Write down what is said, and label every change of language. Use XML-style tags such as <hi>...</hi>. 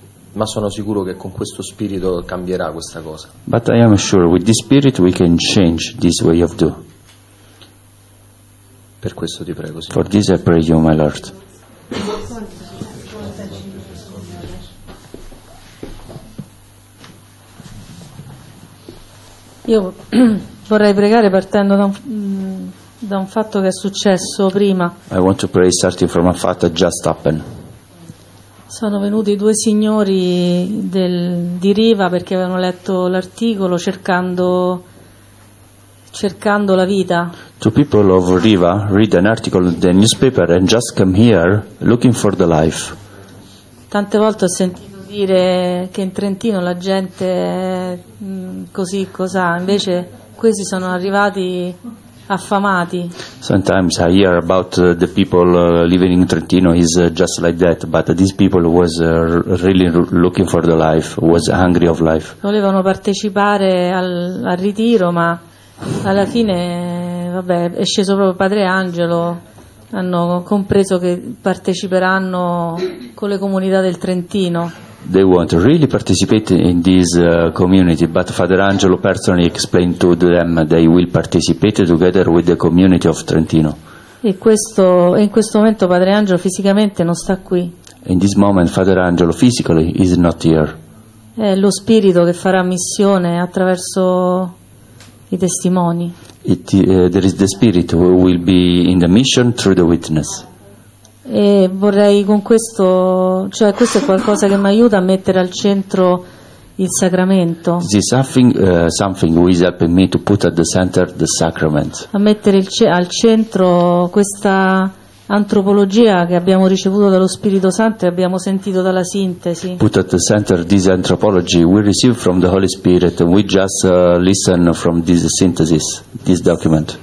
<it>Ma sono sicuro che con questo spirito cambierà questa cosa.</it> <en>But I am sure with this spirit we can change this way of do.</en> <it>Per questo ti prego, Signore.</it> <en>For this I pray you, my Lord.</en> <it>Io vorrei pregare partendo da un fatto che è successo prima.</it> <en>I want to pray starting from a fact that just happened.</en> <it>Sono venuti due signori di Riva perché avevano letto l'articolo cercando la vita.</it> <en>Two people of Riva read an article in the newspaper and just come here looking for the life.</en> <it>Tante volte ho sentito dire che in Trentino la gente è così cos'ha, invece questi sono arrivati affamati.</it> <en>Sometimes I hear about the people living in Trentino is just like that, but these people was really looking for the life, was hungry of life.</en> <it>Volevano partecipare al ritiro, ma alla fine vabbè, è sceso proprio Padre Angelo. Hanno compreso che parteciperanno con le comunità del Trentino.</it> <en>They want really participate in this community, but Father Angelo personally explained to them they will participate together with the community of Trentino.</en> <it>E questo, in questo momento Padre Angelo fisicamente non sta qui.</it> <en>In this moment Father Angelo physically is not here.</en> <it>È lo spirito che farà missione attraverso i testimoni.</it> <en>There is the spirit who will be in the mission through the witness.</en> <it>E vorrei con questo, cioè questo è qualcosa che mi aiuta a mettere al centro il sacramento.</it> <en>This is something who is helping me to put at the center the sacrament.</en> <it>A mettere al centro questa antropologia che abbiamo ricevuto dallo Spirito Santo e abbiamo sentito dalla sintesi.</it> <en>Put at the center this anthropology we receive from the Holy Spirit and we just listen from this synthesis, this document.</en>